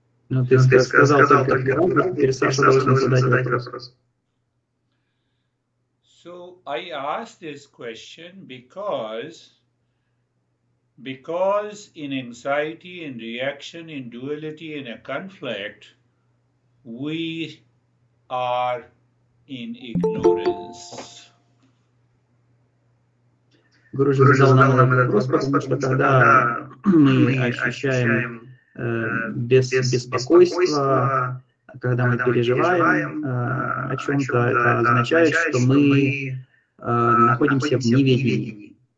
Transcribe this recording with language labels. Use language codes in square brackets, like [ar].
[ru] Ну, ты сказал только один раз, теперь Саша должен задать вопрос. [en] So I ask this question because in anxiety, in reaction, in duality, in a conflict, we are in ignorance. [ru] Guru Ji задал нам этот вопрос, потому что тогда мы ощущаем беспокойство, когда мы переживаем о чем-то, это означает, что мы находимся в неведении.